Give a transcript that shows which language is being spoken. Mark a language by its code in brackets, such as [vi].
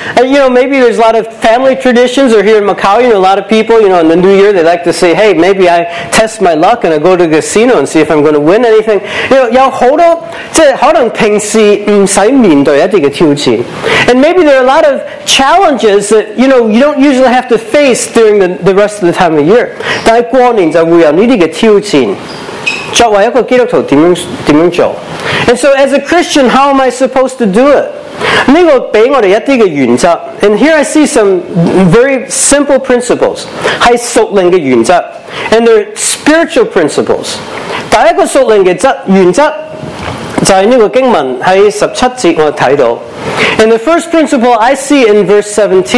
[en] And you know, maybe there's a lot of family traditions, or here in Macau, you know, a lot of people, you know, in the new year, they like to say, hey, maybe I test my luck and I go to the casino and see if I'm going to win anything. You know, [zh] 有很多即可能平时不用面对一些挑战。 [en] And maybe there are a lot of challenges that, you know, you don't usually have to face during the rest of the time of year. [zh] 但是过年就会有这些挑战，作为一个基督徒怎样做。 [en] And so as a Christian, how am I supposed to do it? [zh] 这个给我们一些原则。 [en] And here I see some very simple principles. [zh] 是属灵的原则。 [en] And they're spiritual principles. [zh] 第一个属灵的原则就是这个经文在十七节我看到。 [en] And the first principle I see in verse 17,